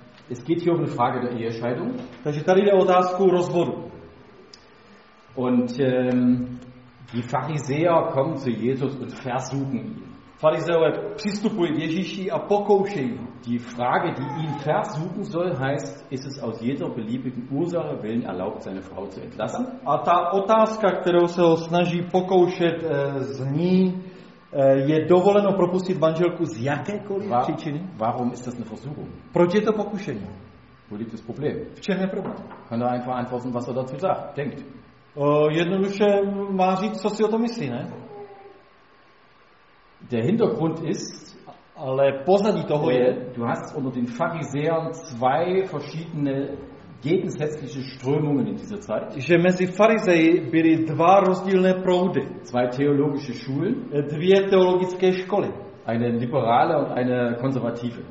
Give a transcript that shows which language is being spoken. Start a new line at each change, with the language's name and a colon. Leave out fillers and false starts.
German: Es geht hier um eine Frage der Ehescheidung.
Czech: Takže tady jde o otázku rozvodu.
German: Und die Pharisäer kommen zu Jesus und versuchen ihn.
Czech: Farizeové přistupují k Ježíši a pokoušejí.
German: Die Frage, die ihn versuchen soll, heißt, ist es aus jeder beliebigen Ursache willen erlaubt, seine Frau zu entlassen?
Czech: A ta otázka, kterou se ho snaží pokoušet z ní, je dovoleno propustit manželku z jakékoliv příčiny?
German: Warum ist das eine Versuchung?
Czech: Proč je to pokušení?
German: Wo liegt das Problem?
Czech: V čem je problém?
German: Kann er einfach antworten, was er dazu sagt, denkt.
Czech: Jednoduše má říct, co si o to myslí, ne?
German: Der Hintergrund ist,
Czech: ale pozadí toho je,
German: du hast unter den Pharisäern zwei verschiedene gegensätzliche Strömungen in dieser Zeit.
Czech: Že mezi farizeji byly dva rozdílné proudy.
German: Zwei theologische Schulen.
Czech: Dvě teologické školy.
German: Eine liberale und eine konservative.